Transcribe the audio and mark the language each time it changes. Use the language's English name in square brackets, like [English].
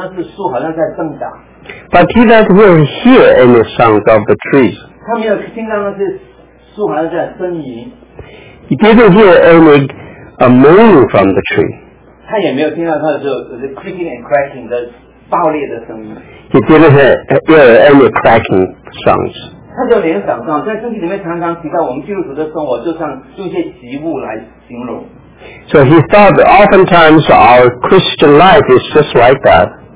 [Chinese] 他没有听到那是树好像在生长。 [English] But he doesn't hear any sound of the trees. [Chinese] 他没有听到那是树好像在呻吟。 [English] He didn't hear any moaning from the tree. [Chinese] 他也没有听到他的 [English] creaking and cracking [Chinese] 的爆裂的声音。 [English] He didn't hear any cracking sounds. [Chinese] 他就联想到，在圣经里面常常提到，我们基督徒的生活就像用一些植物来形容。 [English] So he thought that oftentimes our Christian life is just like that.